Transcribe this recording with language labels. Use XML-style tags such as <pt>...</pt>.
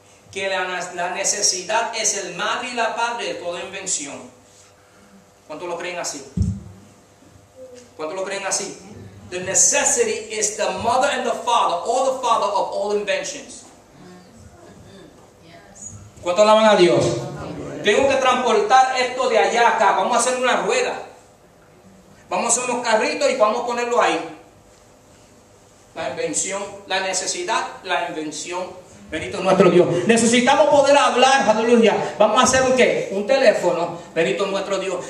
<es>Que la necesidad es el madre y la padre de toda invención. ¿Cuántos lo creen así? ¿Cuántos lo creen así?</es> <en>The necessity is the mother and the father, or the father of all inventions.</en> <es>¿Cuántos alaban a Dios? Tengo que transportar esto de allá a acá. Vamos a hacer una rueda. Vamos a hacer unos carritos y vamos a ponerlo ahí. La invención, la necesidad, la invención. Bendito nuestro Dios. Necesitamos poder hablar, aleluya. Vamos a hacer un qué, un teléfono. Bendito nuestro Dios.</es>